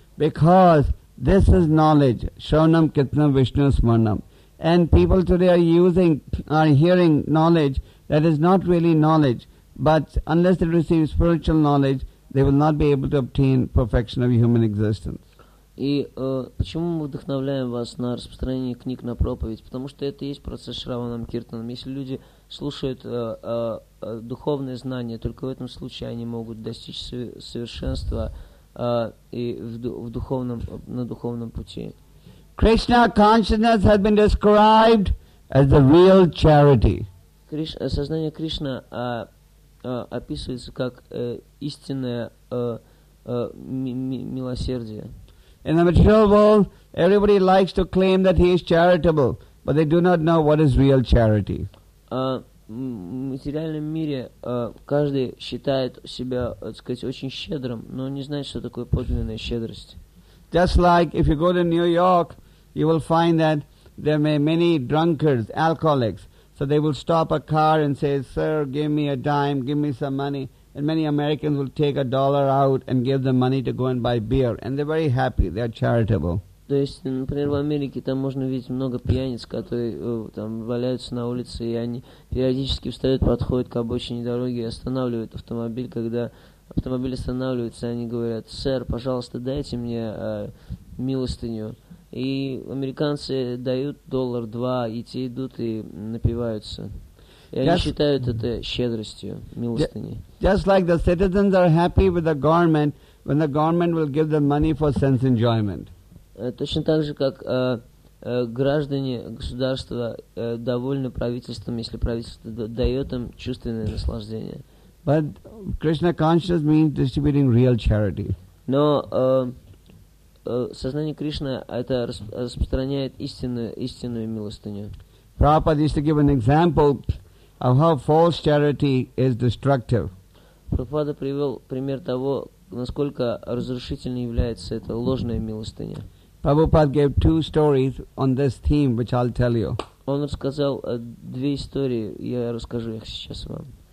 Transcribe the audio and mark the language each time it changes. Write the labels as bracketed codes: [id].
[en] Because this is knowledge, [sa] Shravanam Kirtanam, Vishnu Smaranam. [en] And people today are using, are hearing knowledge that is not really knowledge, but unless they receive spiritual knowledge, they will not be able to obtain perfection of human existence. [ru] И почему мы вдохновляем вас на распространение книг, на проповедь? Потому что это и есть процесс Шраванам Киртанам. Если люди слушают духовные знания, только в этом случае они могут достичь совершенства и на духовном пути. [en] Krishna consciousness has been described as the real charity. [ru] Сознание Кришна описывается как истинное милосердие. [en] In the material world, everybody likes to claim that he is charitable, but they do not know what is real charity. [ru] В материальном мире каждый считает себя, так сказать, очень щедрым, но не знает, что такое подлинная щедрость. [en] Just like if you go to New York, you will find that there may be many drunkards, alcoholics. So they will stop a car and say, sir, give me a dime, give me some money. And many Americans will take a dollar out and give them money to go and buy beer. And they're very happy, they're charitable. [ru] То есть, например, в Америке там можно видеть много пьяниц, которые там валяются на улице, и они периодически встают, подходят к обочине дороги и останавливают автомобиль. Когда автомобиль останавливается, они говорят, сэр, пожалуйста, дайте мне милостыню. И американцы дают доллар, два, и те идут и напиваются. И они считают это щедростью, милостыней. [en] Just like the citizens are happy with the government when the government will give them money for sense enjoyment. [ru] Точно так же, как граждане государства довольны правительством, если правительство дает им чувственное наслаждение. [en] But Krishna consciousness means distributing real charity. [ru] Но сознание Кришны это распространяет истинную милостыню. [en] Prabhupada used to give an example of how false charity is destructive. [ru] Прабхупада привел пример того, насколько разрушительной является эта ложная милостыня. [en] Prabhupada gave two stories on this theme, which I'll tell you. [ru] Он рассказал две истории, я расскажу их сейчас вам.